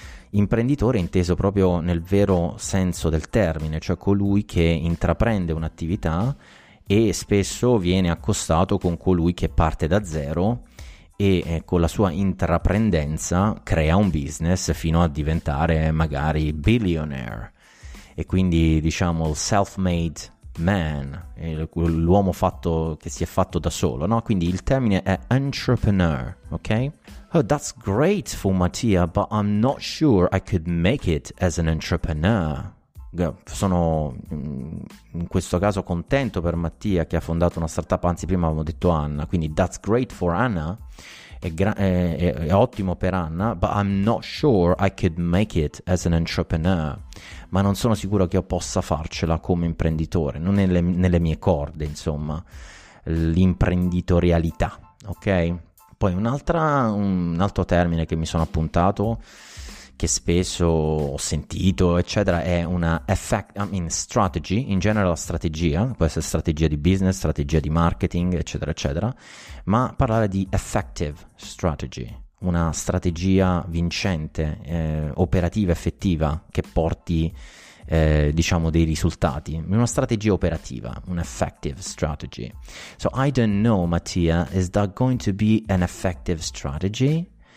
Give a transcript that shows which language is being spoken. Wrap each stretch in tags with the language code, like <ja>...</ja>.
<it>Imprenditore inteso proprio nel vero senso del termine, cioè colui che intraprende un'attività e spesso viene accostato con colui che parte da zero e con la sua intraprendenza crea un business fino a diventare magari billionaire. E quindi diciamo il self-made man, l'uomo fatto che si è fatto da solo, no? Quindi il termine è entrepreneur, ok?</it> <en>Oh, that's great for Mattia, but I'm not sure I could make it as an entrepreneur.</en> <it>Sono in questo caso contento per Mattia che ha fondato una startup, anzi prima avevamo detto Anna, quindi</it> <en>that's great for Anna,</en> <it>è ottimo per Anna,</it> <en>but I'm not sure I could make it as an entrepreneur,</en> <it>ma non sono sicuro che io possa farcela come imprenditore, non nelle mie corde, insomma, l'imprenditorialità, ok? Poi un altro termine che mi sono appuntato, che spesso ho sentito, eccetera, è una strategy, in generale la strategia, può essere strategia di business, strategia di marketing, eccetera, eccetera, ma parlare di effective strategy, una strategia vincente, operativa, effettiva, che porti, diciamo, dei risultati, una strategia operativa, un effective strategy.</it> <en>So I don't know, Mattia, is that going to be an effective strategy?</en>